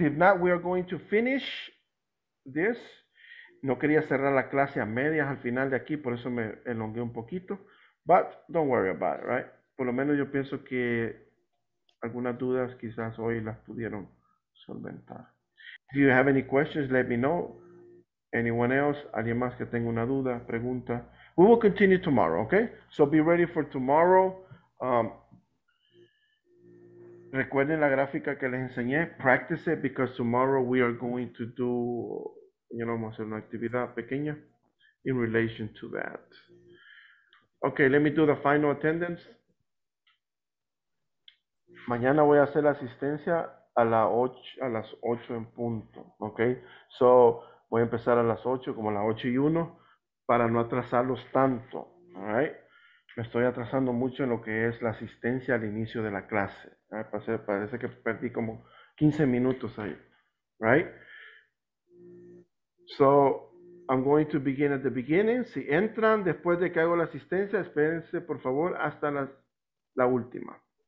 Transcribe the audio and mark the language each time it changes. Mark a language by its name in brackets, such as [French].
[English] If not, we are going to finish this. [Spanish] No quería cerrar la clase a medias al final de aquí, por eso me elongué un poquito. [English] But don't worry about it, right? [Spanish] Por lo menos yo pienso que algunas dudas quizás hoy las pudieron solventar. [English] If you have any questions, let me know. Anyone else? [Spanish] ¿Alguien más que tenga una duda, pregunta? [English] We will continue tomorrow, okay? So be ready for tomorrow. [Spanish] Recuerden la gráfica que les enseñé. [English] Practice it because tomorrow we are going to do, you know, [Spanish] vamos a hacer una actividad pequeña [English] in relation to that. Okay, let me do the final attendance. [Spanish] Mañana voy a hacer la asistencia a las 8 en punto, ¿ok? So, voy a empezar a las 8, como a las 8 y 1, para no atrasarlos tanto, ¿alright? Me estoy atrasando mucho en lo que es la asistencia al inicio de la clase. Parece que perdí como 15 minutos ahí, ¿right? [English] So, I'm going to begin at the beginning. [Spanish] Si entran después de que hago la asistencia, espérense, por favor, hasta la última.